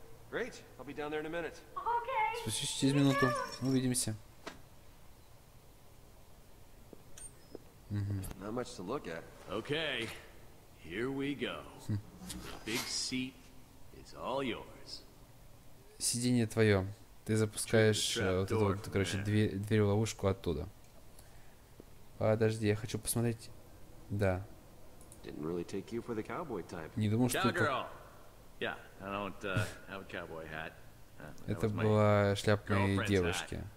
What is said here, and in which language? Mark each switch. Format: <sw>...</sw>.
<en>Great, I'll be down there in a minute. Okay.</en> <ru>Спустись через минуту. Увидимся.</ru> <en>Not much to look at. Okay, here we go. The big seat is all yours.</en> <ru>Сиденье твое. Ты запускаешь дверь в ловушку оттуда. Подожди, я хочу посмотреть. Да.</ru> <en>Didn't really take you for the cowboy type.</en> <ru>Не думал, что это...</ru> <en>Yeah, I don't have a cowboy hat.</en> <ru>Это была шляпа моей девушки.</ru>